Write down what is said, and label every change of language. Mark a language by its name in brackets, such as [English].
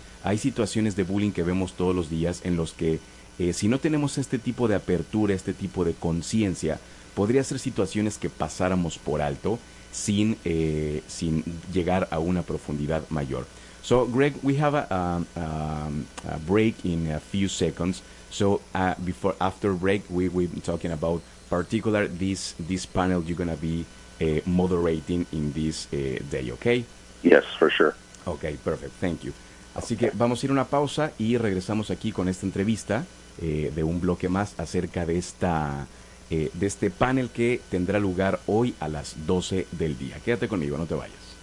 [Spanish] Hay situaciones de bullying que vemos todos los días en los que si no tenemos este tipo de apertura, este tipo de conciencia, podría ser situaciones que pasáramos por alto sin llegar a una profundidad mayor. [English] So, Greg, we have a break in a few seconds. So, after break, we will be talking about particular this panel you're going to be moderating in this day, okay? Yes, for sure. Okay, perfect. Thank you. [Spanish] Así que vamos a ir a una pausa y regresamos aquí con esta entrevista de un bloque más acerca de esta de este panel que tendrá lugar hoy a las 12 del día. Quédate conmigo, no te vayas.